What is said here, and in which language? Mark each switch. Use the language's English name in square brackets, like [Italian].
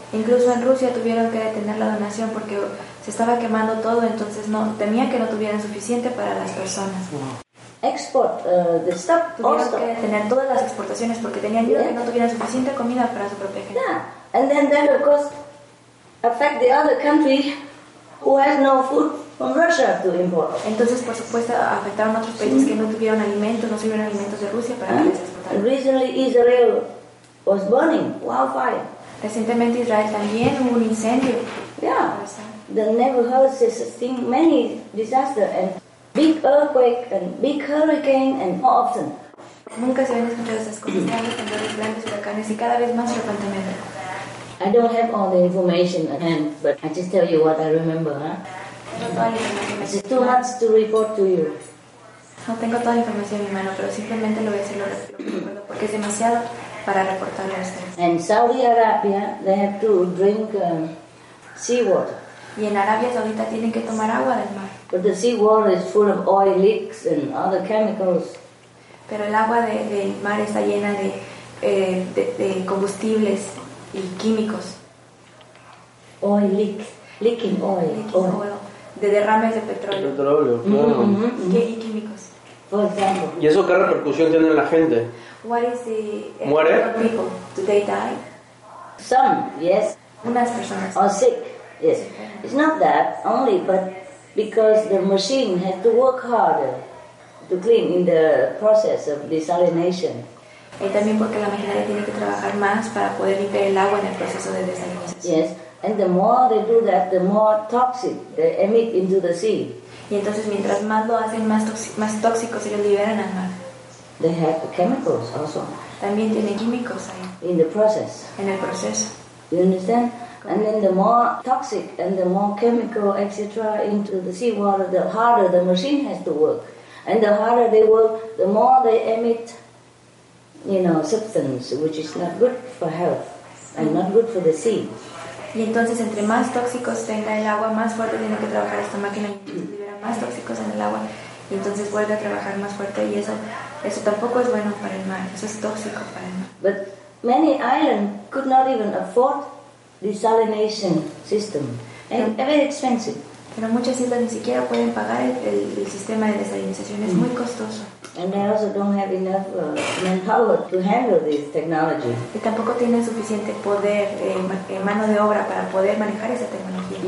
[Spanish] Incluso en Rusia tuvieron que detener la donación porque se estaba quemando todo, entonces no temía que no tuvieran suficiente para las personas. [English] Export, the stuff, [Spanish] tuvieron que detener todas las exportaciones porque tenían miedo que no tuvieran suficiente comida para su propia gente. [English] Yeah, and then that of course affect the other country who has no food from Russia to import. [Spanish] Entonces por supuesto afectaron otros países que no tuvieron alimentos, no sirvieron alimentos de Rusia para exportar. [English] Recently Israel was burning wildfire. [Spanish] Recientemente Israel también hubo un incendio. [English] Yeah. The neighborhoods have seen many disasters and big earthquake and big hurricane and more often. [Spanish] Nunca se habían escuchado esas cosas, grandes huracanes y cada vez más frecuentemente. [English] I don't have all the information at hand, but I just tell you what I remember, huh? It's too much to report to you. [Spanish] No tengo toda la información en mi mano, pero simplemente lo voy a decir lo que recuerdo porque es demasiado para reportarle a ustedes. [English] And Saudi Arabia, they have to drink sea water. [Spanish] Y en Arabia Saudita tienen que tomar agua del mar. [English] But the sea water is full of oil leaks and other chemicals. [Spanish] Pero el agua del mar está llena de combustibles y químicos. [English] Oil leak, leaking oil. Leaking oil. [Spanish] De derrames de petróleo. Petróleo, claro. Y químicos. [English] For example. [Spanish] ¿Y eso qué repercusión tiene en la gente? [English] What is the [Spanish] ¿muere? [English] People? Do they die? Some, yes. [Spanish] Unas personas. [English] Or sick. Yes, it's not that only, but because the machine has to work harder to clean in the process of desalination. [Spanish] Y también porque la maquinaria tiene que trabajar más para poder limpiar el agua en el proceso de desalinización. [English] Yes, and the more they do that, the more toxic they emit into the sea. [Spanish] Y entonces mientras más lo hacen, más tóxicos ellos liberan al mar. [English] They have chemicals also. [Spanish] También tiene químicos ahí. [English] In the process. [Spanish] En el proceso. [English] You understand? And then the more toxic and the more chemical, etc., into the seawater, the harder the machine has to work. And the harder they work, the more they emit, you know, substance, which is not good for health. and not good for the sea. [Spanish] Y entonces entre más tóxicos tenga el agua, más fuerte tiene que trabajar esta máquina y libera más tóxicos en el agua. Y entonces vuelve a trabajar más fuerte y eso tampoco es bueno para el mar. Eso es tóxico para el mar. [English] But many islands could not even afford desalination system. And very expensive. [Spanish] Pero muchas islas ni siquiera pueden pagar el sistema de desalinización. Es muy costoso. [English] And they also don't have enough manpower to handle this technology. [Spanish] Y tampoco tienen suficiente poder, mano de obra para poder manejar esa tecnología.